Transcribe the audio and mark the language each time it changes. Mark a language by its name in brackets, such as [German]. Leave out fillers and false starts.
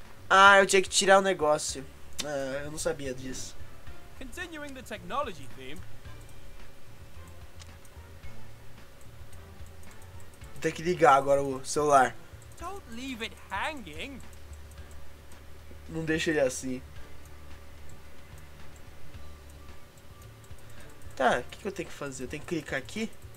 [Portuguese] Ah, eu tinha que tirar o negócio. Ah, eu não sabia disso. [English] Continuing the technology theme. [Portuguese] Tem que ligar agora o celular. [English] Don't leave it hanging. [Portuguese] Não deixa ele assim. Tá, o que, que eu tenho que fazer? Eu tenho que clicar aqui?